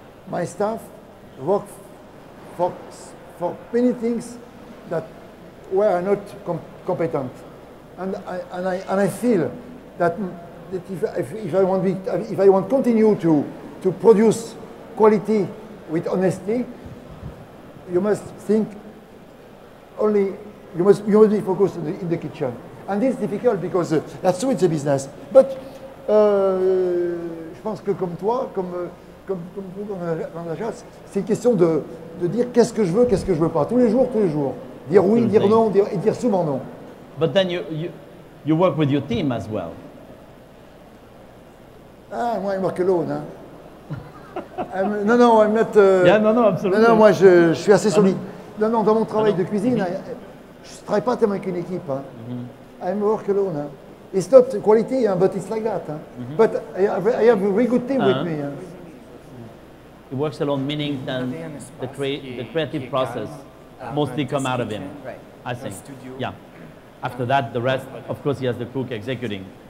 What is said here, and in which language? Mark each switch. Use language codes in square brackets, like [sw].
[en] My staff work for many things that were not competent, and I feel that if I want continue to produce quality with honesty, you must be focused in the kitchen, and this is difficult because that's why it's a business. [fr] But je pense que comme toi, comme vous dans la chasse, c'est une question de dire qu'est-ce que je veux, qu'est-ce que je veux pas, tous les jours, dire oui, dire non, et dire souvent non. [en] But then you work with your team as well. Ah, moi, I work alone. Hein. I'm not. [fr] Absolument. Non, moi, je suis assez solide. Non, non, dans mon travail de cuisine, je travaille pas tellement avec une équipe. [en] Hein. Mm-hmm. I work alone. Hein. It's not quality, hein, but it's like that. Hein. Mm-hmm. But I have a really good team with me. Hein. It works alone, meaning that the creative process mostly come out of him, right. I think. Yeah. After that, the rest, of course, he has the cook executing.